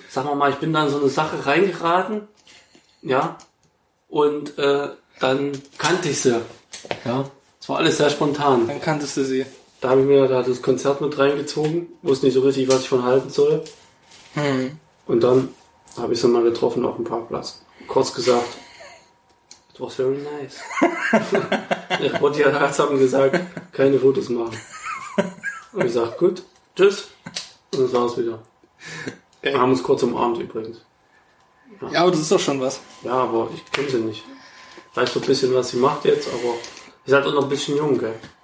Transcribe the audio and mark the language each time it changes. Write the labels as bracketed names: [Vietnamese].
[German] Sag mal, ich bin da in so eine Sache reingeraten. Ja. Und, dann kannte ich sie. Ja. Es war alles sehr spontan. Dann kanntest du sie. Da habe ich mir da das Konzert mit reingezogen. Wusste nicht so richtig, was ich von halten soll. Hm. Und dann habe ich sie mal getroffen auf dem Parkplatz. Kurz gesagt, [English] it was very nice. [German] Ich wollte ja erst haben gesagt, keine Fotos machen. Und ich sage, gut, tschüss. Und dann war es wieder. Okay. Wir haben uns kurz umarmt übrigens. Ja. Ja, aber das ist doch schon was. Ja, aber ich kenne sie nicht. Weißt du ein bisschen, was sie macht jetzt, aber sie ist halt auch noch ein bisschen jung, gell?